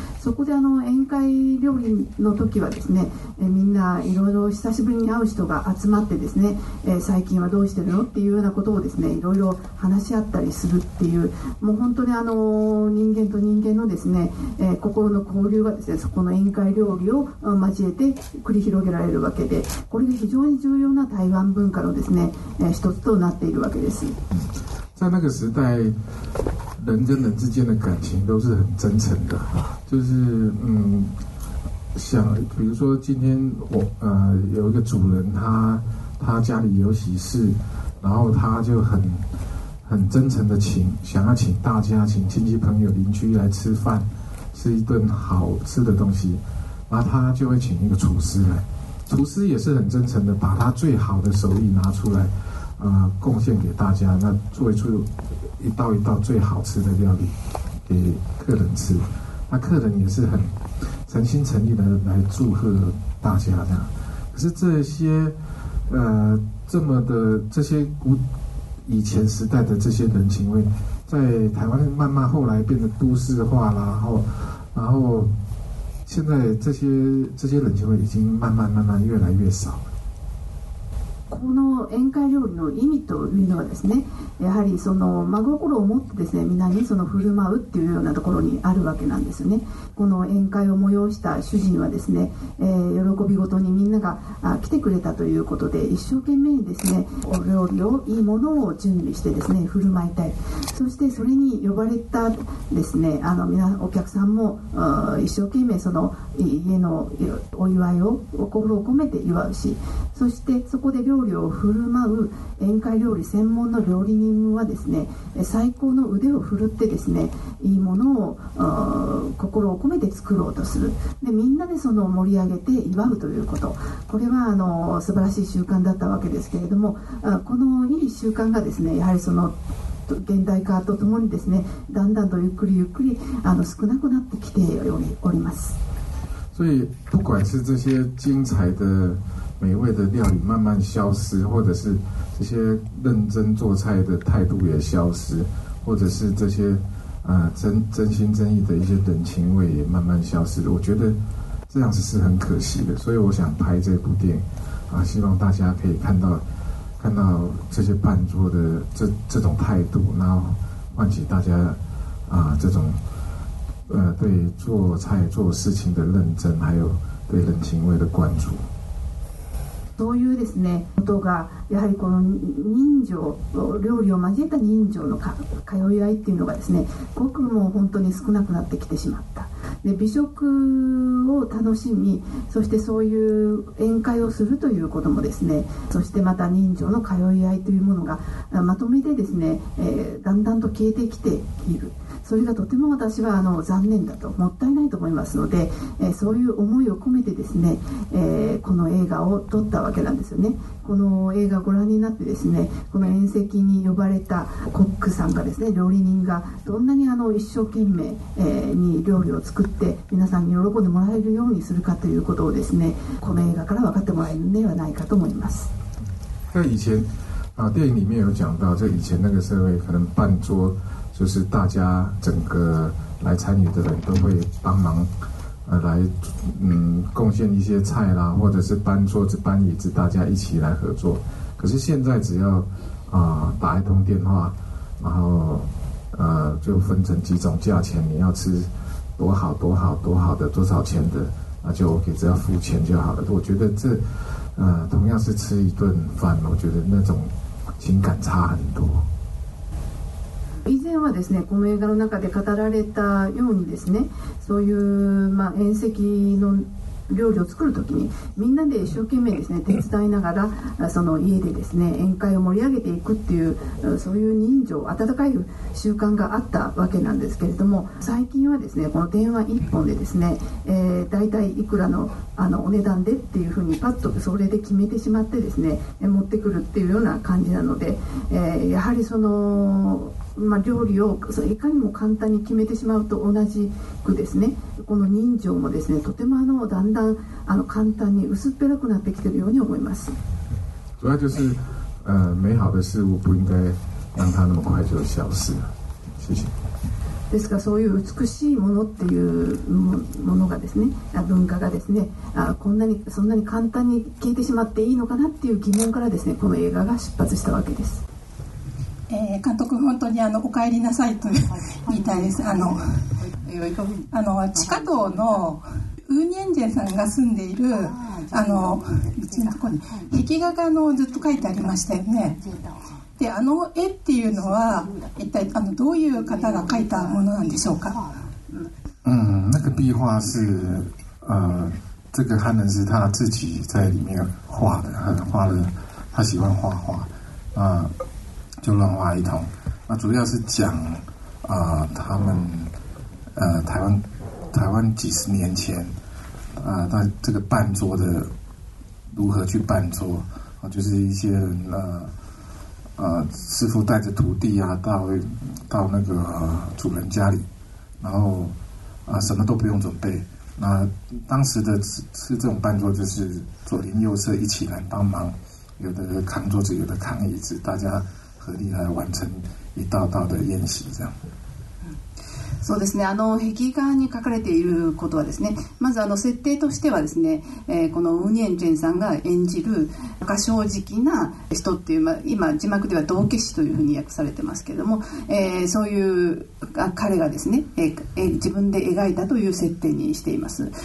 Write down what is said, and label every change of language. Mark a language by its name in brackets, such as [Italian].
[Japanese] そこで宴会料理の時はですね、みんないろいろ久しぶりに会う人が集まってですね、最近はどうしてるのっていうようなことをですね、いろいろ話し合ったりするっていう、もう本当に人間と人間のですね、心の交流がですね、そこの宴会料理を交えて繰り広げられるわけで、これが非常に重要な台湾文化のですね、一つとなっているわけです。 [Chinese] 在那个时代，人跟人之间的感情都是很真诚的，就是像比如说今天我有一个主人，他家里有喜事，然后他就很真诚的想要请大家、请亲戚朋友、邻居来吃饭。吃一顿好吃的东西，那他就会请一个厨师来，厨师也是很真诚的，把他最好的手艺拿出来，贡献给大家，那做出一道一道最好吃的料理给客人吃，那客人也是很诚心诚意的来祝贺大家这样。可是这些这么的这些古以前时代的这些人情味，在台湾慢慢后来变得都市化啦，然后现在这些人情味已经慢慢越来越少了。 [Japanese] この宴会料理の意味というのはですね、やはりその真心を持ってですね、皆にその振る舞うっていうようなところにあるわけなんですね。この宴会を催した主人はですね、喜びごとにみんなが来てくれたということで、一生懸命にですね、お料理を、いいものを準備してですね、振る舞いたい、そしてそれに呼ばれたですね、皆お客さんも一生懸命その家のお祝いを心を込めて祝うし、そしてそこで料理を振る舞う宴会料理専門の料理人はですね、最高の腕を振るってですね、いいものを心を込めて作ろうとする、でみんなでその盛り上げて祝うということ、これは素晴らしい習慣だったわけですけれども、このいい習慣がですね、やはりその現代化とともにですね、だんだんとゆっくりゆっくり少なくなってきております。 [Chinese] 所以不管是这些精彩的美味的料理慢慢消失，或者是这些认真做菜的态度也消失，或者是这些真心真意的一些人情味也慢慢消失了，我觉得这样子是很可惜的。所以我想拍这部电影啊，希望大家可以看到这些伴桌的这种态度，然后唤起大家这种对做菜做事情的认真，还有对人情味的关注。 [Japanese] そういうですねことがやはりこの人情料理を交えた人情の通い合いっていうのがですねごくもう本当に少なくなってきてしまった。で美食を楽しみそしてそういう宴会をするということもですねそしてまた人情の通い合いというものがまとめてですね、だんだんと消えてきている。それがとても私は残念だともったいないと思いますので、そういう思いを込めてですね、この映画を撮ったわけなんですよね。この映画をご覧になってですねこの宴席に呼ばれたコックさんがですね料理人がどんなに一生懸命、に料理を作って皆さんに喜んでもらえるようにするかということをですねこの映画から分かってもらえるのではないかと思います。 [Chinese] 以前電影里面有讲到以前那个社会可能伴桌就是大家整个来参与的人都会帮忙来贡献一些菜啦，或者是搬桌子搬椅子大家一起来合作。可是现在只要打一通电话，然后就分成几种价钱，你要吃多好多好多好的多少钱的，那就OK，只要付钱就好了。我觉得这同样是吃一顿饭，我觉得那种情感差很多。 [Japanese] 以前はですねこの映画の中で語られたようにですねそういう、宴席の料理を作るときにみんなで一生懸命ですね手伝いながらその家でですね宴会を盛り上げていくっていうそういう人情温かい習慣があったわけなんですけれども、最近はですねこの電話一本でですね、大体いくら のお値段でっていうふうにパッとそれで決めてしまってですね持ってくるっていうような感じなので、やはりその料理をいかにも簡単に決めてしまうと同じくですねこの人情もですねとてもだんだん簡単に薄っぺらくなってきているように思います。 [Chinese] 主要就是美好的事物不应该让它那么快就消失。谢谢。 [Japanese] ですからそういう美しいものっていうものがですね文化がですねこんなにそんなに簡単に消えてしまっていいのかなっていう疑問からですねこの映画が出発したわけです。監督本当にお帰りなさいと言いたいです。地下道のウーニエンジェンさんが住んでいる壁画がずっと書いてありましたよね。で絵っていうのは一体どういう方が書いたものなんでしょうか。 [Chinese] 那个壁画是这个汉人是他自己在里面画的，画了他喜欢画画就乱画一通。那主要是讲他们台湾几十年前但这个伴桌的如何去伴桌就是一些人师傅带着徒弟到那个主人家里，然后什么都不用准备。那当时的是这种伴桌就是左邻右舍一起来帮忙，有的扛桌子有的扛椅子，大家合力来完成一道道的宴席这样。 [Japanese] そうですね、壁画に書かれていることはですね、まず設定としてはですね、このウニエンジェンさんが演じる若正直な人っていう、今字幕では道化師というふうに訳されてますけれども、そういう彼がですね、自分で描いたという設定にしています。